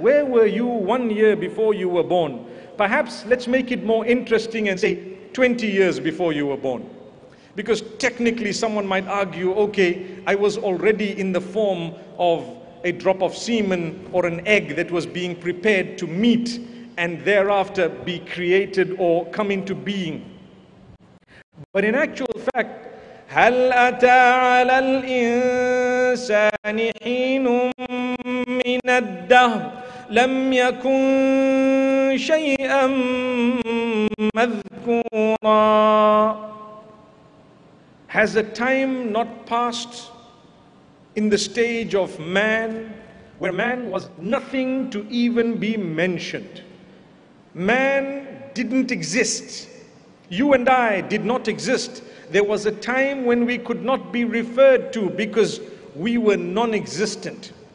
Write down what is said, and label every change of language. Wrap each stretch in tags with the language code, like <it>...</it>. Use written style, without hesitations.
<en>Where were you 1 year before you were born? Perhaps let's make it more interesting and say 20 years before you were born. Because technically someone might argue, okay, I was already in the form of a drop of semen or an egg that was being prepared to meet and thereafter be created or come into being. But in actual fact,</en> <ar>هَلْ أَتَى عَلَى الْإِنسَانِ حِينٌ مِّنَ الدَّهْرِ لَمْ يَكُنْ شَيْئًا مَذْكُورًا.</ar> <en>Has a time not passed in the stage of man where man was nothing to even be mentioned? Man didn't exist. You and I did not exist. There was a time when we could not be referred to because we were non-existent.</en>